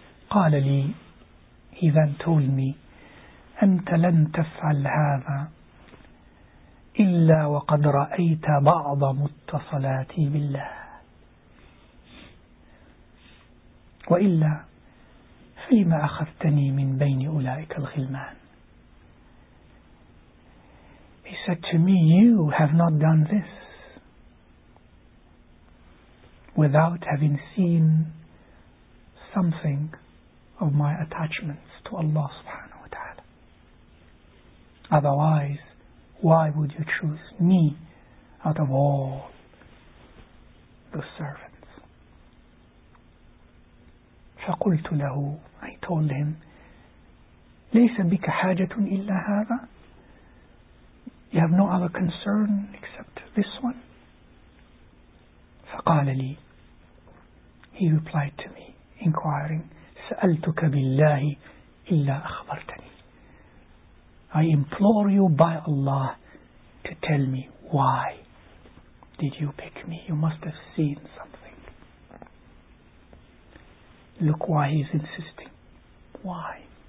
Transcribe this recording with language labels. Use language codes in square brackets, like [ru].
[ar] قال لي, [en] he then told me, [ar] أنت لن تفعل هذا إلا وقد رأيت بعض متصلاتي بالله وإلا فلما أخذتني من بين أولئك الغلمان. [en] He said to me, you have not done this without having seen something of my attachments to Allah subhanahu wa ta'ala. Otherwise, why would you choose me out of all the servants? [ar] فقلت له, [en] I told him, [ar] ليس بك حاجة إلا هذا. [en] You have no other concern except this one. [ar] فقال لي, [en] he replied to me, inquiring, [ar] سألتك بالله إلا أخبرتني. [en] I implore you by Allah to tell me, why did you pick me? You must have seen something. Look why he's insisting. Why?